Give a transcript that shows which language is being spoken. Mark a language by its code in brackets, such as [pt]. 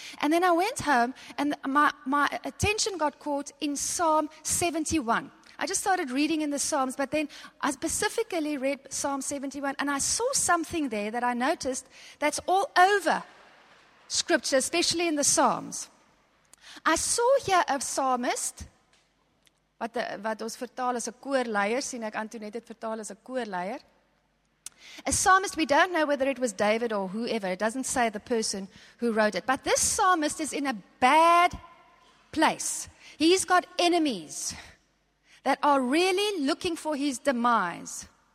[en] And then I went home, and my attention got caught in Psalm 71. I just started reading in the Psalms, but then I specifically read Psalm 71, and I saw something there that I noticed that's all over Scripture, especially in the Psalms. I saw here a psalmist. [af] Wat ons vertaal as 'n koorleier, sien ek Antoinette het vertaal as 'n koorleier. [en] A psalmist, we don't know whether it was David or whoever. It doesn't say the person who wrote it. But this psalmist is in a bad place. He's got enemies that are really looking for his demise.